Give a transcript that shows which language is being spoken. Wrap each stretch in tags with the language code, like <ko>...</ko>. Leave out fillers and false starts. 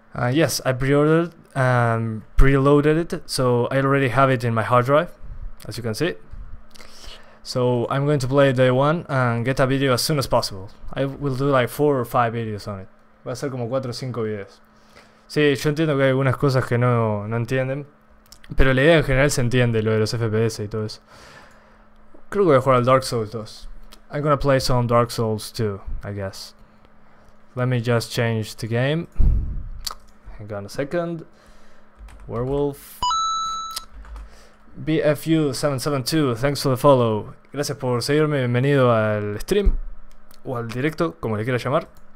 <en>Yes, I preordered and preloaded it, so I already have it in my hard drive, as you can see. So I'm going to play day one and get a video as soon as possible. I will do like 4 or 5 videos on it.</en> <es>Voy a hacer como 4 o 5 videos. Sí, yo entiendo que hay algunas cosas que no entienden, pero la idea en general se entiende, lo de los FPS y todo eso. Creo que voy a jugar al Dark Souls 2.</es> <en>I'm gonna play some Dark Souls 2, I guess. Let me just change the game. Hang on a second. Werewolf. BFU772, thanks for the follow.</en> <es>Gracias por seguirme. Bienvenido al stream. O al directo, como le quieras llamar.</es>